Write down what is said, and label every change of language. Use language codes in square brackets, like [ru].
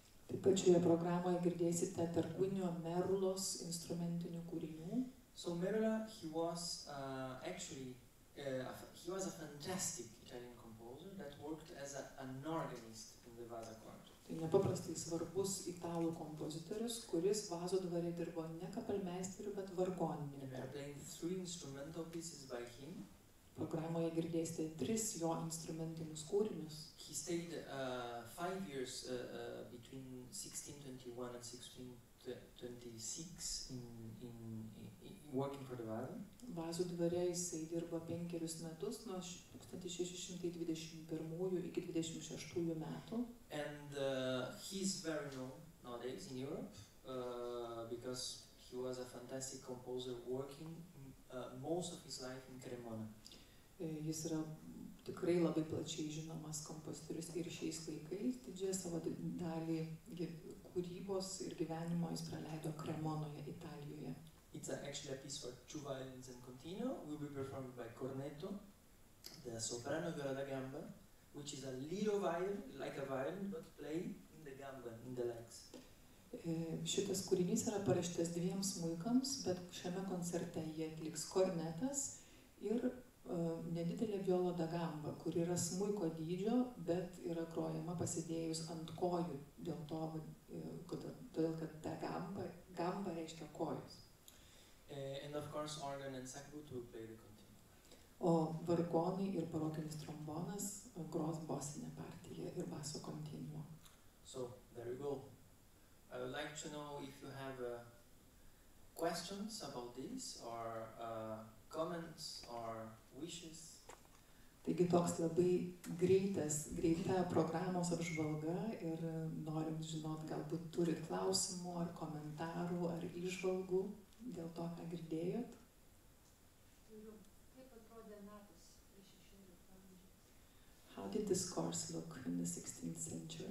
[lt] Taip pat šioje programoje girdėsite Tarquinio Merulos instrumentinių kūrinių. [en] So Merula, he was a fantastic Italian composer that worked as an organist in the Vasa Quarto. [lt] Tai nepaprastai svarbus italų kompozitorius, kuris Vazo dvare dirbo ne kapelmeisteriu, bet vargoninį. [en] We are playing three instrumental pieces by him. [lt] Programoje girdėsite tris jo instrumentinius kūrinius. [en] He stayed five years between 1621 and 1626 in working for the Vazo. [lt] Vazo dvare jisai dirbo penkerius metus nuo 1621 iki 26 metų. [en] And he's very known nowadays in Europe because he was a fantastic composer working most of his life in Cremona. [lt] Jis yra tikrai labai plačiai žinomas kompozitorius ir šiais laikais didžiąją savo dalį kūrybos ir gyvenimo jis praleido Kremonoje, Italijoje. [en] It's actually a piece for two violins and continuo. Will be performed by cornetto, the soprano viola da gamba, which is a little violin, like a violin, but play in the gamba, in the legs. [lt] Šitas kūrinys yra parašytas dviem smuikams, bet šiame koncerte jie atliks kornetas ir nedidelė viola da gamba, kur yra smuiko dydžio, bet yra grojama pasidėjus ant kojų, dėl to, todėl kad da gamba, gamba reiškia kojus. [en] And of course, organ and sackbut will play the continuo. [lt] O vargonai ir barokinis trombonas gros bosinę partiją ir baso continuo. [en] So, there you go. I would like to know if you have questions about this, or comments, or wishes. [lt] Taigi toks labai greita programos apžvalga ir norim žinot, galbūt turi klausimų, ar komentarų, ar įžvalgų. Dėl to, ką girdėjot? Turiu. Kaip atrodė metus 16th amžiaus? [en] How did this course look in the 16th century?